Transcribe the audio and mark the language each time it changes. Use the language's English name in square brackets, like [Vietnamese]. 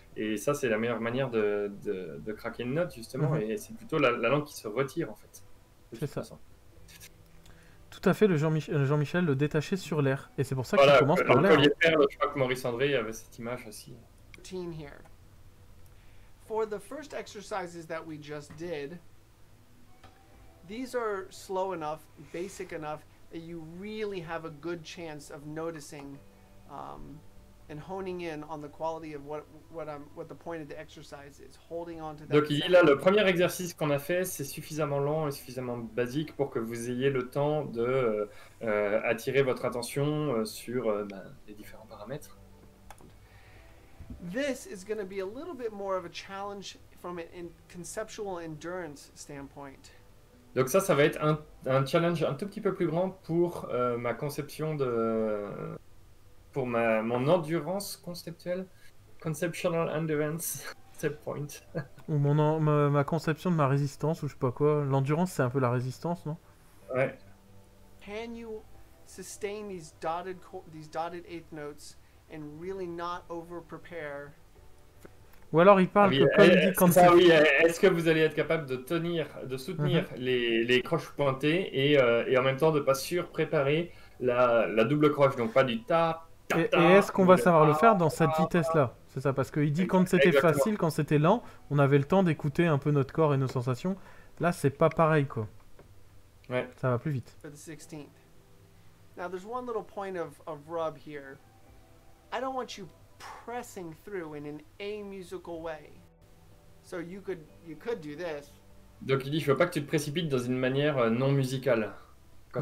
[French] Et ça, c'est la meilleure manière de craquer une note, justement. Mm-hmm. Et c'est plutôt la langue qui se retire, en fait. C'est ça. Façon. Tout à fait, Jean-Michel le détachait sur l'air. Et c'est pour ça qu'il commence par l'air. Collier perle, je crois que Maurice André avait cette image aussi. [English] Team here. For the first exercises that we just did, these are slow enough, basic enough. You really have a good chance of noticing and honing in on the quality of what the point of the exercise is, holding on to that. [French] Donc là, le premier exercice qu'on a fait, c'est suffisamment long et suffisamment basique pour que vous ayez le temps de attirer votre attention sur les différents paramètres. [English] This is going to be a little bit more of a challenge from a conceptual endurance standpoint. [French] Donc ça va être un challenge un tout petit peu plus grand pour ma conception de... pour mon endurance conceptuelle. [English] Conceptual endurance, step point. [French] Ou ma conception de ma résistance, ou je sais pas quoi. L'endurance, c'est un peu la résistance, non? Ouais. [English] Can you sustain these dotted eighth notes and really not over-prepare? [French] Ou alors il parle est-ce que vous allez être capable de soutenir les croches pointées et en même temps de ne pas surpréparer la double croche, donc pas du tap, et est-ce qu'on va savoir le faire dans cette vitesse-là? C'est ça, parce qu'il dit quand c'était facile, quand c'était lent, on avait le temps d'écouter un peu notre corps et nos sensations. Là, c'est pas pareil, quoi. Ouais. Ça va plus vite. [English] Now, there's one little point of rub here. I don't want you pressing through in an amusical way. So you could do this. [French] Donc il dit, je veux pas que tu te précipites dans une manière non musicale quand